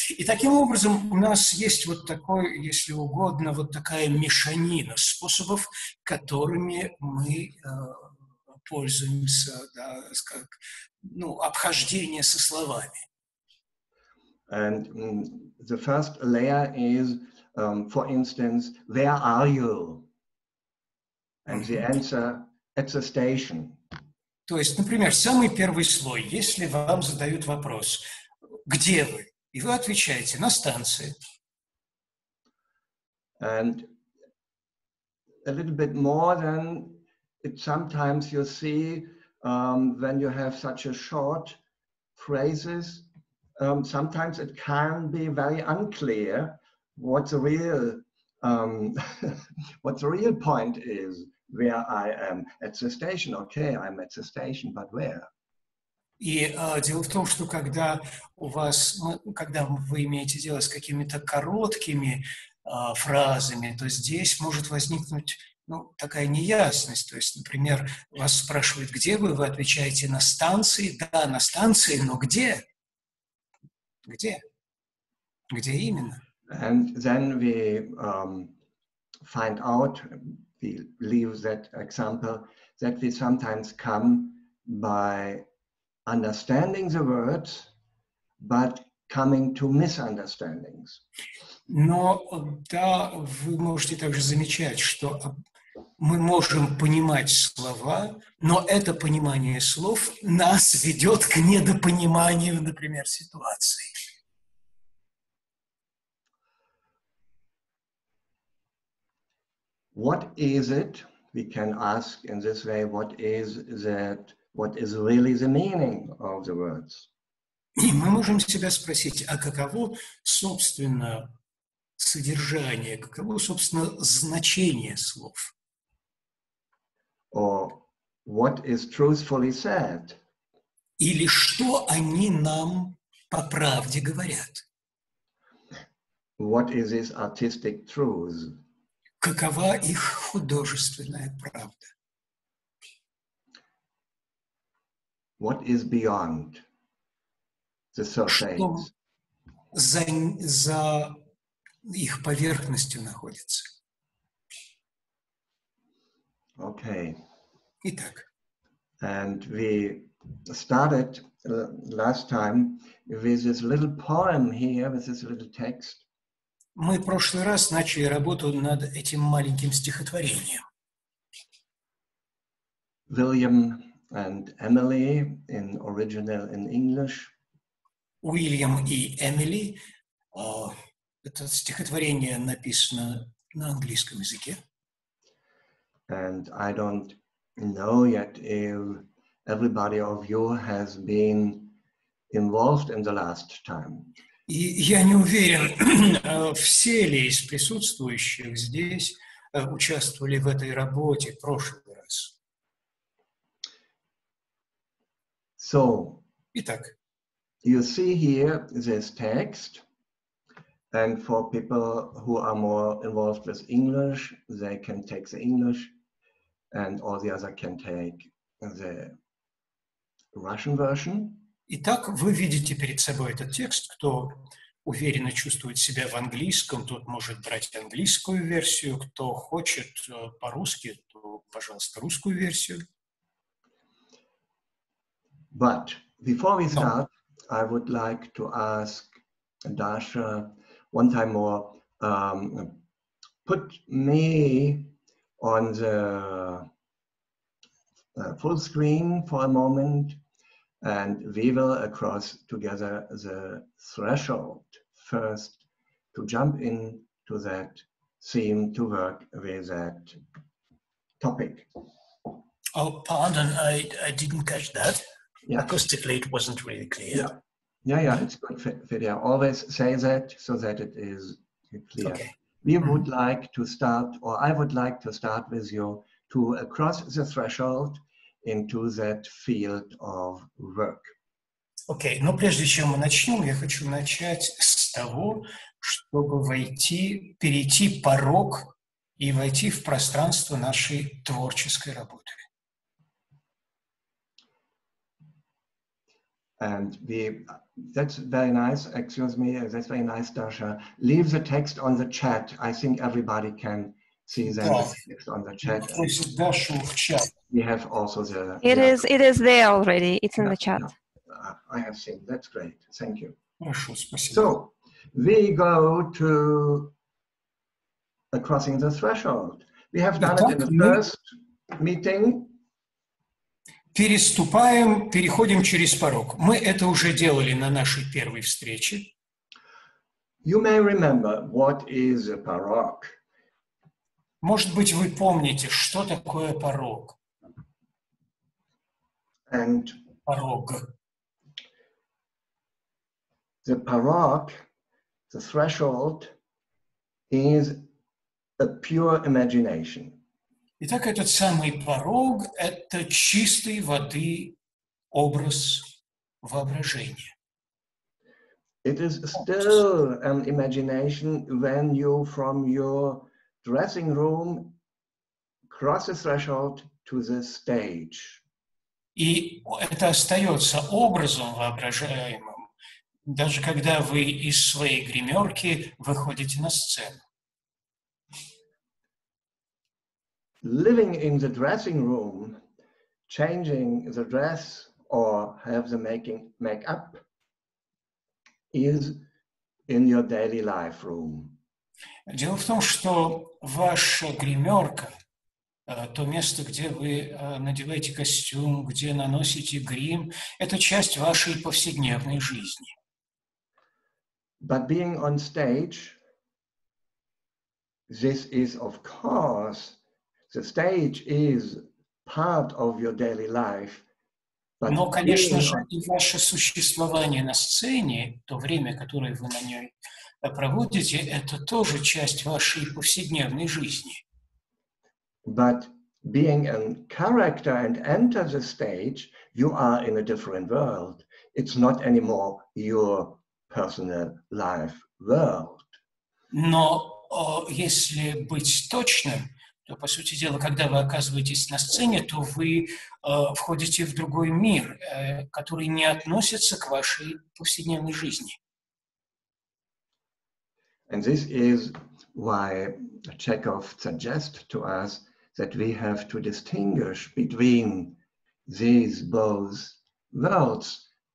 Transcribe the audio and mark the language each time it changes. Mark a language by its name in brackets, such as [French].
[Russian] И таким образом у нас есть вот такой, если угодно, вот такая мешанина способов, которыми мы пользуемся, да, как, ну, обхождение со словами. [English] And the first layer is, for instance, where are you? And the answer, at the station. [Russian] То есть, например, самый первый слой, если вам задают вопрос, где вы? И вы отвечаете, на станции. [English] And a little bit more than it sometimes you see when you have such a short phrases, sometimes it can be very unclear what the real point is, where I am at the station. Okay, I'm at the station, but where? [Russian] И дело в том, что когда у вас, когда вы имеете дело с какими-то короткими фразами, то здесь может возникнуть, ну, такая неясность. То есть, например, вас спрашивают, где вы отвечаете, на станции. Да, на станции, но где? Где? Где именно? [English] And then we find out, we leave that example, that we sometimes come by understanding the words, but coming to misunderstandings. [Russian] Но да, вы можете также замечать, что мы можем понимать слова, но это понимание слов нас ведет к недопониманию, например, ситуации. [English] What is it, we can ask in this way, what is that, what is really the meaning of the words? [Russian] И мы можем себя спросить, а каково, собственно, содержание, каково, собственно, значение слов? [English] Or what is truthfully said? [Russian] Или что они нам по правде говорят? [English] What is this artistic truth? [Russian] Какова их художественная правда? [English] What is beyond the surface? [Russian] Что за их поверхностью находится? [English] Okay. [Russian] Итак. [English] And we started last time with this little poem here, with this little text. [Russian] Мы в прошлый раз начали работу над этим маленьким стихотворением. [English] William and Emily in original in English. [Russian] Уильям и Эмили. Это стихотворение написано на английском языке. [English] And I don't know yet if everybody of you has been involved in the last time. [Russian] И я не уверен, все ли из присутствующих здесь участвовали в этой работе в прошлый раз. [English] So, [Russian] итак, [English] you see here this text, and for people who are more involved with English, they can take the English, and all the other can take the Russian version. [Russian] Итак, вы видите перед собой этот текст. Кто уверенно чувствует себя в английском, тот может брать английскую версию. Кто хочет по-русски, то, пожалуйста, русскую версию. [English] But before we start, I would like to ask Dasha one time more, put me on the full screen for a moment. And we will cross together the threshold first to jump in to that theme, to work with that topic. Oh, pardon, I didn't catch that. Yeah. Acoustically, it wasn't really clear. Yeah, it's good. Fidia always say that so that it is clear. Okay. We would like to start, or I would like to start with you, to cross the threshold into that field of work. [Russian] Okay, но прежде чем мы начнем, я хочу начать с того, чтобы перейти порог и войти в пространство нашей творческой работы. [English] And that's very nice, excuse me, that's very nice, Dasha. Leave the text on the chat. I think everybody can see that text on the chat. We have also the... It is there already. It's in the chat. I have seen. That's great. Thank you. [Russian] Хорошо, [English] so, we go to crossing the threshold. We have done it in the first meeting. [Russian] Переходим через порог. Мы это уже делали на нашей первой встрече. [English] You may remember what is a porog. [Russian] Может быть, вы помните, что такое порог. [English] And [Russian] порог. [English] The porog, the threshold, is a pure imagination. [Russian] Итак, этот самый порог – это чистой воды образ воображения. [English] It is still an imagination when you, from your dressing room, cross the threshold to the stage. [Russian] И это остается образом воображаемым, даже когда вы из своей гримерки выходите на сцену. [English] Living in the dressing room, changing the dress or have the making makeup is in your daily life room. [Russian] Дело в том, что ваша гримерка, то место, где вы надеваете костюм, где наносите грим, это часть вашей повседневной жизни. [English] But being on stage, this is, of course, the stage is part of your daily life. [Russian] But Но, конечно же, и ваше существование на сцене, то время, которое вы на ней проводите, это тоже часть вашей повседневной жизни. [English] But being a character and enter the stage, you are in a different world. It's not anymore your personal life world. [Russian] Но если быть точным, то, по сути дела, когда вы оказываетесь на сцене, то вы входите в другой мир, который не относится к вашей повседневной жизни. [English] And this is why Chekhov suggests to us that we have to distinguish between these both worlds.